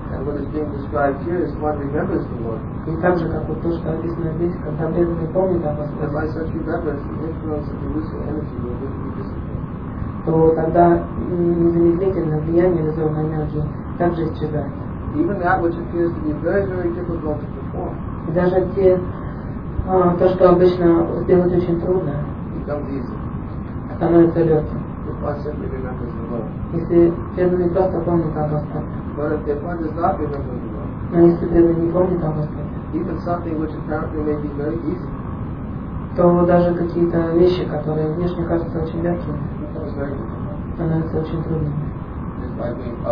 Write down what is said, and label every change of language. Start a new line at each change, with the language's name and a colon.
English: And what is being described here is one remembers the Lord.
Russian: И также как вот то, что описано здесь, когда преданный помнит о Господе.
English: By such remembrance, the influence of the illusory energy will be dissipated.
Russian: То тогда незамедлительно влияние иллюзорной энергии также исчезает.
English: Even that which appears to be very, very difficult to perform.
Russian: И даже те, то, что обычно сделать очень трудно,
English: becomes easy.
Russian: Становится легким.
English: If one simply remembers the Lord.
Russian: Если преданный просто помнит о Господе.
English: But if the one does not remember the Lord,
Russian: но если преданный не помнит о Господе,
English: even something which apparently may be very easy,
Russian: то даже какие-то вещи, которые внешне кажутся очень легкими, становятся очень трудными.